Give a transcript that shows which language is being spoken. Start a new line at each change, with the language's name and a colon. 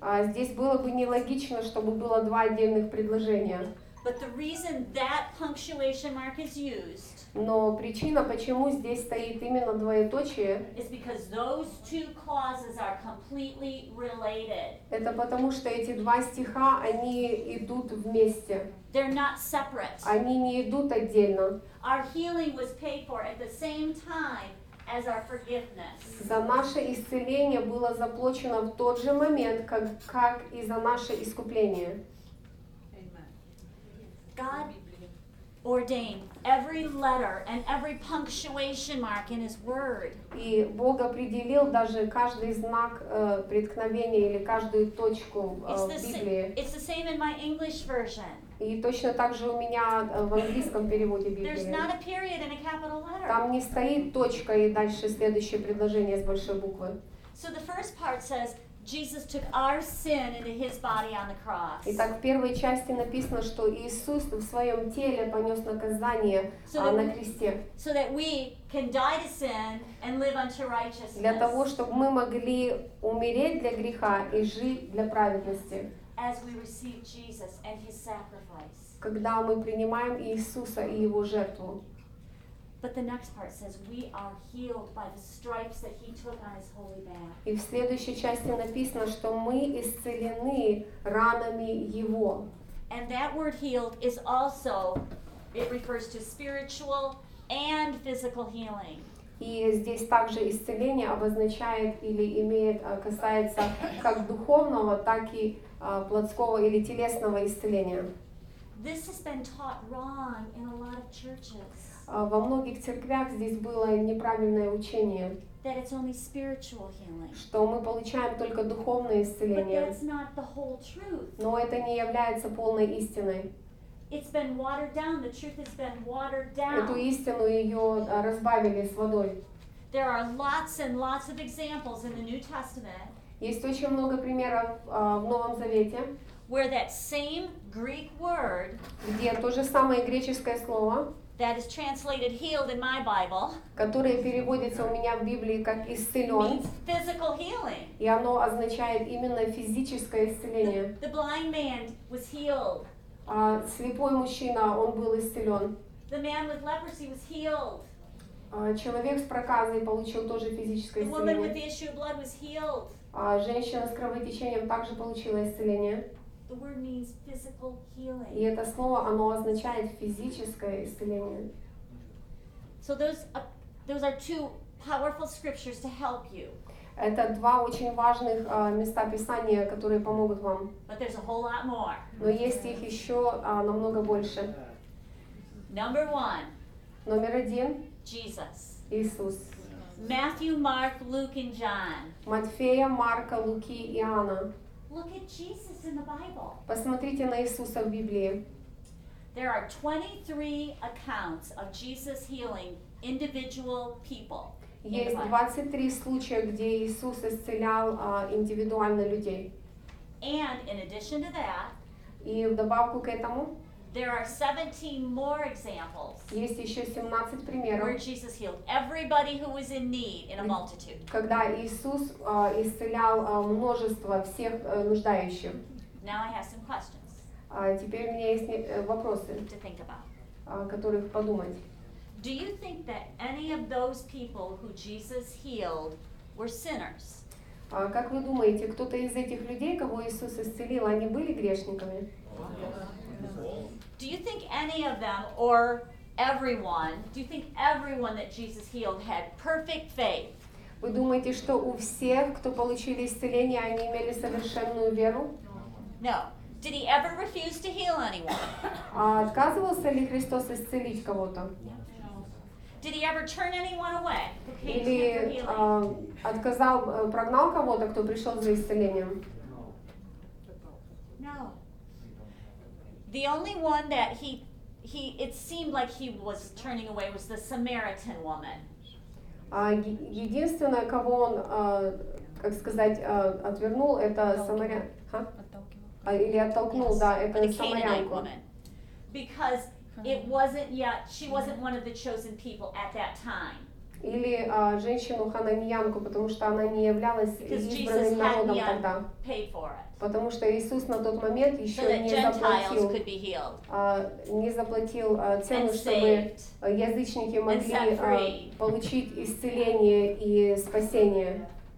Russian: Здесь было бы нелогично, чтобы было два отдельных предложения.
English: But the reason that punctuation mark is used.
Russian: Но причина, почему здесь стоит именно двоеточие,
English: is because those two clauses are completely related.
Russian: Это потому, что эти два стиха, они идут вместе.
English: They're not separate.
Russian: Они не идут отдельно.
English: Our healing was paid for at the same time as our forgiveness.
Russian: За наше исцеление было заплачено в тот же момент, как и за наше искупление.
English: God ordained every letter and every punctuation mark in his word.
Russian: И Бог определил даже каждый знак преткновения или каждую точку в Библии.
English: It's the same in my English version.
Russian: И точно так же у меня в английском переводе Библии.
English: There's not a period and a capital letter.
Russian: Там не стоит точка и дальше следующее предложение с большой буквы.
English: So the first part says Jesus took our sin into his body on the cross.
Russian: Итак, в первой части написано, что Иисус в своём теле понёс наказание на кресте.
English: So that we can die to sin and live unto righteousness.
Russian: Для того, чтобы мы могли умереть для греха и жить для праведности.
English: As we receive Jesus and his sacrifice.
Russian: Когда мы принимаем Иисуса и его жертву.
English: But the next part says we are healed by the stripes that he took on his holy back.
Russian: И в следующей части написано, что мы исцелены ранами его.
English: And that word healed is also it refers to spiritual and physical healing.
Russian: И здесь также исцеление обозначает или имеет касается как духовного, так и плотского или телесного исцеления.
English: This has been taught wrong in a lot of churches.
Russian: Во многих церквях здесь было неправильное учение,
English: that it's only spiritual healing.
Russian: Что мы получаем только духовное исцеление.
English: But that's not the whole truth.
Russian: Но это не является полной истиной.
English: It's been watered down. The truth has been watered down.
Russian: Эту истину ее разбавили с водой.
English: There are lots and lots of examples in the New Testament.
Russian: Есть очень много примеров в Новом Завете.
English: Where that same Greek word,
Russian: где то же самое греческое слово,
English: that is translated healed in my Bible,
Russian: которое переводится у меня в Библии как исцелён,
English: means physical healing.
Russian: И оно означает именно физическое исцеление.
English: The blind man was healed.
Russian: Слепой мужчина, он был исцелён.
English: The man with leprosy was healed.
Russian: Человек с проказой получил тоже физическое исцеление.
English: The woman with the issue of blood was healed.
Russian: Женщина с кровотечением также получила исцеление.
English: The word means physical healing.
Russian: И это слово, оно означает физическое исцеление.
English: So those are two powerful scriptures to help you.
Russian: Это два очень важных места Писания, которые помогут вам.
English: But there's a whole lot more.
Russian: Но есть их еще намного больше.
English: Number one.
Russian: Номер один.
English: Jesus.
Russian: Иисус.
English: Matthew, Mark, Luke, and John.
Russian: Матфея, Марка, Луки, Иоанна.
English: Look at Jesus in the Bible.
Russian: Посмотрите на Иисуса в Библии.
English: There are 23 accounts of Jesus healing individual people.
Russian: Есть 23 случая, где Иисус исцелял индивидуально людей.
English: And in addition to that,
Russian: и вдобавку к этому,
English: there are 17 more examples.
Russian: Есть ещё 17 примеров.
English: Where Jesus healed everybody who was in need in a multitude.
Russian: Когда Иисус исцелял множество всех нуждающих.
English: Now I have some questions.
Russian: А теперь у меня есть вопросы.
English: To think about.
Russian: Которых подумать.
English: Do you think that any of those people who Jesus healed were sinners?
Russian: Как вы думаете, кто-то из этих людей, кого Иисус исцелил, они были грешниками?
English: Do you think any of them or everyone, do you think everyone that Jesus healed had perfect faith?
Russian: Вы думаете, что у всех, кто получили исцеление, они имели совершенную веру?
English: No. Did he ever refuse to heal anyone?
Russian: Отказывался ли Христос исцелить кого-то?
English: Did he ever turn anyone away?
Russian: Или отказал, прогнал кого-то, кто пришел за исцелением?
English: No. The only one that he it seemed like he was turning away was the Samaritan woman.
Russian: Единственное, кого он, как сказать, отвернул, это самарянка. Или оттолкнул, да, это самарянку.
English: Because it wasn't yet, she wasn't one of the chosen people at that time.
Russian: Или женщину хананьянку, потому что она не являлась избранным народом тогда. Потому что Иисус на тот момент еще не заплатил цену, чтобы язычники могли получить исцеление и спасение.